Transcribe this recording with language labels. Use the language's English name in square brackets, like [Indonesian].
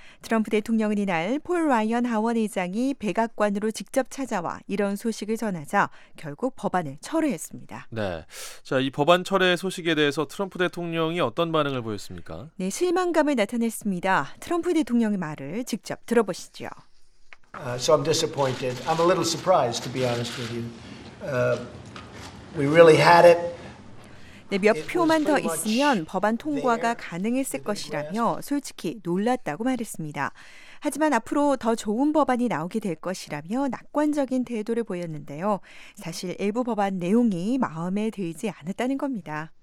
[Korean] 트럼프 대통령은 이날 폴 라이언 하원의장이 백악관으로 직접 찾아와 이런 소식을 전하자 결국 법안을 철회했습니다. 네, 자, 이 법안 철회 소식에 대해서 트럼프 대통령이 어떤 반응을 보였습니까? 네, 실망감을 나타냈습니다. 트럼프 대통령의 말을 직접 들어보시죠. [English] So I'm disappointed. I'm a little surprised, to be honest with you. We really had it. [Korean] 네, 몇 표만 더 있으면 법안 통과가 가능했을 것이라며 솔직히 놀랐다고 말했습니다. 하지만 앞으로 더 좋은 법안이 나오게 될 것이라며 낙관적인 태도를 보였는데요. 사실 일부 법안 내용이 마음에 들지 않았다는 겁니다.